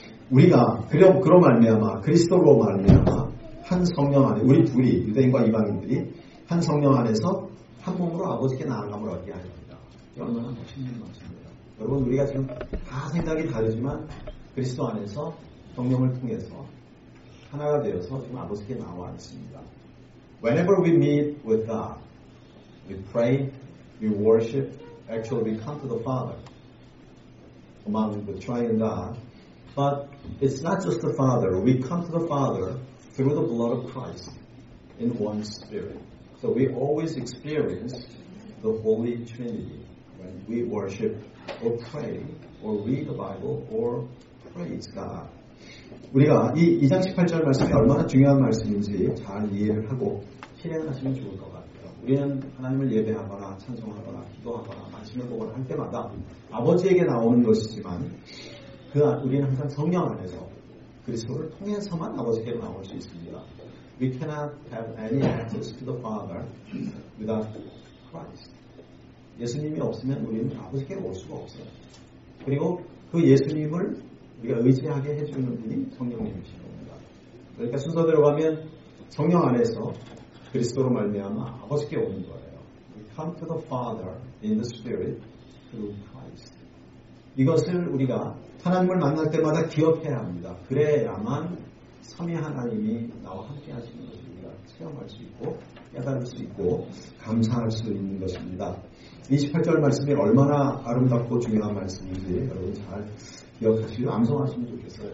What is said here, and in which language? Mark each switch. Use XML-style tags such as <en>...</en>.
<ko>우리가 그런 말미암아 그리스도로 말미암아 한 성령 안에 우리 둘이 유대인과 이방인들이 한 성령 안에서 한 몸으로 아버지께 나아감을 얻게 하십니다. 얼마나 멋있는 말씀입니다. 여러분 우리가 지금 다 생각이 다르지만 그리스도 안에서 성령을 통해서 하나가 되어서 지금 아버지께 나와 있습니다.</ko> <en>Whenever we meet with God, we pray, we worship, actually we come to the Father among the triune God. But it's not just the Father. We come to the Father through the blood of Christ in one spirit. So we always experience the Holy Trinity when we worship or pray or read the Bible or praise God.</en> <ko>우리가 이 2장 18절 말씀이 얼마나 중요한 말씀인지 잘 이해를 하고 실행하시면 좋을 것 같아요. 우리는 하나님을 예배하거나 찬송하거나 기도하거나 말씀을 보거나 할 때마다 아버지에게 나오는 것이지만 우리는 항상 성령 안에서 그리스도를 통해서만 아버지께 나올 수 있습니다.</ko> <en>We cannot have any access to the Father without Christ.</en> <ko>예수님이 없으면 우리는 아버지께 올 수가 없어요. 그리고 그 예수님을 우리가 의지하게 해주는 분이 성령님이신 겁니다. 그러니까 순서대로 가면 성령 안에서 그리스도로 말미암아 아버지께 오는 거예요.</ko> <en>We come to the Father in the Spirit through Christ.</en> <ko>이것을 우리가 하나님을 만날 때마다 기억해야 합니다. 그래야만 삼위 하나님이 나와 함께 하시는 것을 우리가 체험할 수 있고 깨달을 수 있고 감사할 수 있는 것입니다. 28절 말씀이 얼마나 아름답고 중요한 말씀인지 여러분 잘 기억하시고 암송하시면 좋겠어요.</ko>